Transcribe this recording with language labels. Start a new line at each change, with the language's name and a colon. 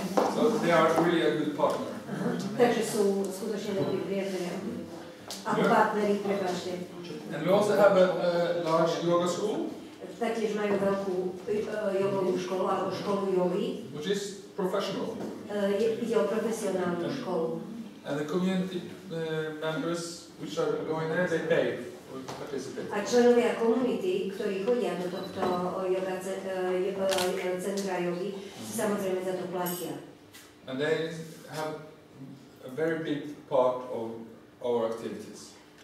English: So they are really a good partner.
Slovak: Takže sú skutočne dobrí priatelia. A partneri, prepáčte.
English: And we also have a large yoga school.
Slovak: Taktiež majú veľkú jogovú školu alebo školu jogy.
English: Which is professional.
Slovak: Ide o profesionálnu školu.
English: And the community members which are going there, they pay or participate.
Slovak: A členovia komunity, ktorí chodia do tohto yoga centra jogy, si samozrejme za to platia.
English: And they have a very big part of our activities.